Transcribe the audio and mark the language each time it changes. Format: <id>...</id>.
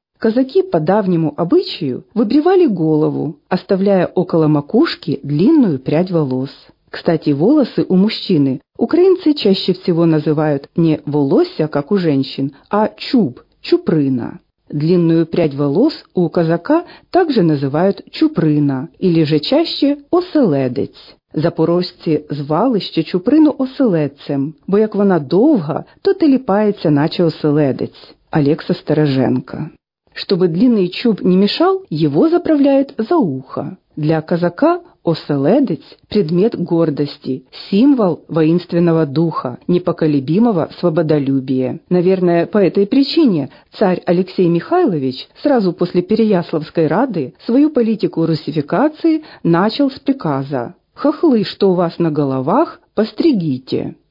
<ru>Казаки по давнему обычаю выбривали голову, оставляя около макушки длинную прядь волос. Кстати, волосы у мужчины украинцы чаще всего называют не волосся, как у женщин, а чуб, чуприна. Длинную прядь волос у казака также называют чуприна, или же чаще оселедець.</ru> <uk>Запорожці звали ще чуприну оселедцем, бо як вона довга, то теліпається, наче оселедець. Олекса Стороженко.</uk> <ru>Чтобы длинный чуб не мешал, его заправляют за ухо. Для казака оселедець – предмет гордости, символ воинственного духа, непоколебимого свободолюбия. Наверное, по этой причине царь Алексей Михайлович сразу после Переяславской рады свою политику русификации начал с приказа «Хохлы, что у вас на головах, постригите».</ru>